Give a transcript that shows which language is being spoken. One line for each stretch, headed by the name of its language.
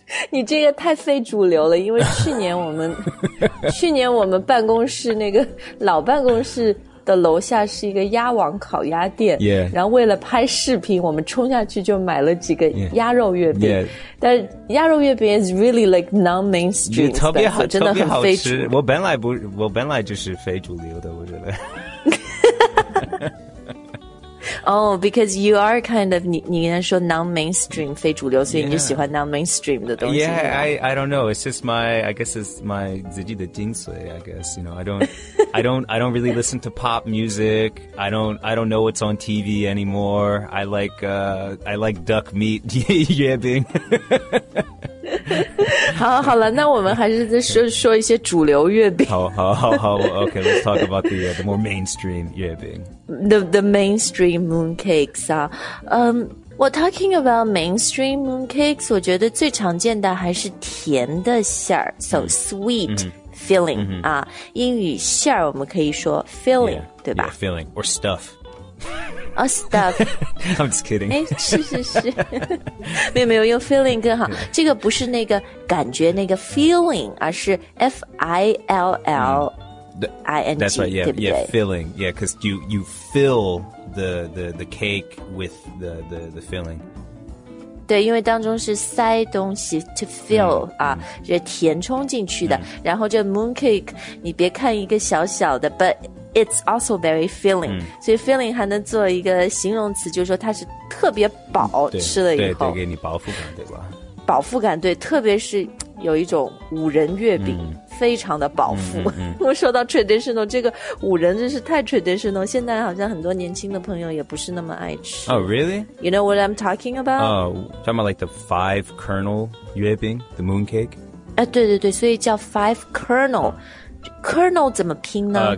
Chinese: 你这个太非主流了因为去年我们去年我们办公室那个老办公室的楼下是一个鸭王烤鸭店、然后为了拍视频我们冲下去就买了几个鸭肉月饼、但是鸭肉月饼
English: is really like non-mainstream
Chinese: 特别好真的很好吃我本来就是非主流的我觉得
English: Oh, because you are kind of,
Chinese: 你应该说 non-mainstream, 非主流所以你就喜欢 non-mainstream 的东西。
English: Yeah, I don't know. It's just my, I guess it's my
Chinese: 自己的精髓,
English: I guess. You know, I don't really listen to pop music. I don't know what's on TV anymore. I like duck meat, 月饼。
Chinese: 好好了那我们还是再说一些主流月饼。好好好好
English: ,OK, let's talk about the more mainstream 月饼。 The mainstream mooncakes 啊。 Well, talking about mainstream mooncakes,
Chinese: 我觉得最常见的还是甜的馅儿
English: so sweet filling.
Chinese: 啊，英语馅儿我们可以说 filling, 对吧
English: Yeah, filling, or stuff. Oh, stuff. I'm just kidding.
Chinese: 哎，是。没有没有，用 filling 更好。这个不是那个感觉那个 feeling, 而是 F-I-L-L.
English: I-N-G, That's right, yeah, yeah, filling. Yeah, because you fill the cake with the filling.
Chinese: 对，因为当中是塞东西 to fill, 是填充进去的。然后这 mooncake, 你别看一个小小的
English: but it's also very filling.
Chinese: 所以 filling 还能做一个形容词就是说它是特别饱吃了以后。对，给你饱腹感对吧。饱腹感对，特别是有一种五仁月饼。非常的饱腹。我说到 traditional, 这个五仁真是太 traditional, 现在好像很多年轻的朋友也不是那么爱吃。
English: Oh, really? You know what I'm talking about? Oh, talking about like the five kernel 月饼, the mooncake?
Chinese: 对对对，所以叫 five kernel. Kernel 怎么拼呢?